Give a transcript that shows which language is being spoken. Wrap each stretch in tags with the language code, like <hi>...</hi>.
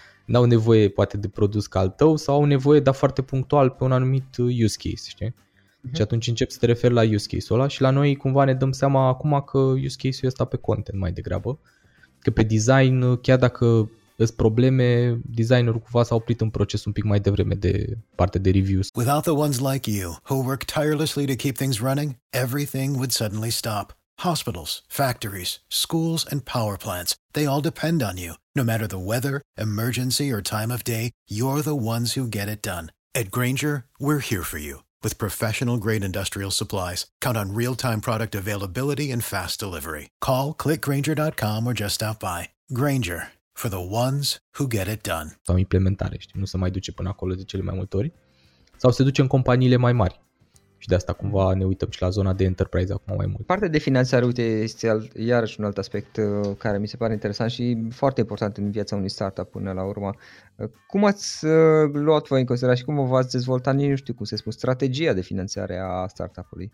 <ro>N-au nevoie poate de produs ca al tău sau au nevoie, dar foarte punctual, pe un anumit use case, știi? Și atunci începi să te referi la use case-ul ăla și la noi cumva ne dăm seama acum că use case-ul ăsta pe content mai degrabă. Că pe design, chiar dacă sunt probleme, designerul cumva s-a oprit în proces un pic mai devreme de parte de reviews.</ro> <en>Without the ones like you, who work tirelessly to keep things running, everything would suddenly stop. Hospitals, factories, schools, and power plants, they all depend on you. No matter the weather, emergency, or time of day, you're the ones who get it done. At Grainger, we're here for you. With professional-grade industrial supplies, count on real-time product availability and fast delivery. Call, click Grainger.com or just stop by. Grainger, for the ones who get it done.</en> <ro>Sau implementare, știi? Nu se mai duce până acolo de cele mai multe ori. Sau se duce în companiile mai mari. Și de asta cumva ne uităm și la zona de enterprise acum mai mult. Partea de finanțare, uite, este iarăși un alt aspect care mi se pare interesant și foarte important în viața unui startup până la urmă. Cum ați luat voi în considerare și cum v-ați dezvoltat, nu știu cum se spune, strategia de finanțare a startup-ului?</ro>